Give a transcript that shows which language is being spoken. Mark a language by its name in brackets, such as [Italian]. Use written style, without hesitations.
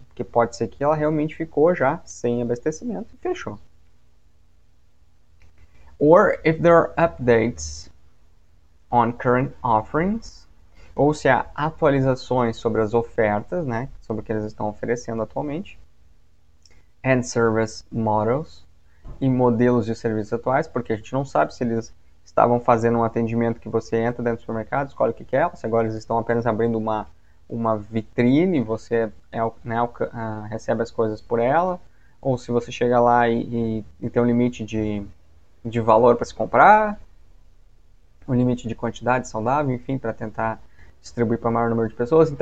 [Portuguese] Porque pode ser que ela realmente ficou já sem abastecimento e fechou. [English] Or if there are updates on current offerings. [Portuguese] Ou se há atualizações sobre as ofertas, né, sobre o que eles estão oferecendo atualmente. [English] And service models [Portuguese] e modelos de serviços atuais, porque a gente não sabe se eles estavam fazendo um atendimento que você entra dentro do supermercado, escolhe o que quer, se agora eles estão apenas abrindo uma vitrine, você recebe as coisas por ela, ou se você chega lá e tem um limite de valor para se comprar, um limite de quantidade saudável, enfim, para tentar distribuir para o maior número de pessoas.